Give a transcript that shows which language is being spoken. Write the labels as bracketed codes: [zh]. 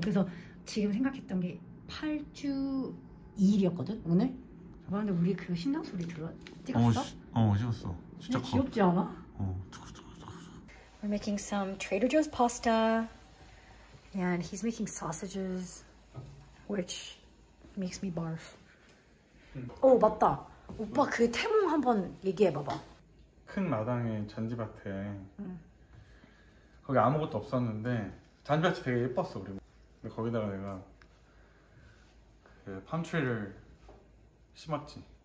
[ko] 그래서 지금 생각했던 게 8주 2일이었거든 오늘. 근데 우리 그 신나 소리 찍었어? 찍었어. 진짜 귀엽지 않아? [en] We're making some Trader Joe's pasta, and he's making sausages, which makes me barf. [ko] 맞다. 오빠 그 태몽 한번 얘기해봐봐. 큰 마당에 잔디밭에 거기 아무것도 없었는데 잔디밭이 되게 예뻤어 우리. 근데 거기다가 내가 그 팜트리를 심었지.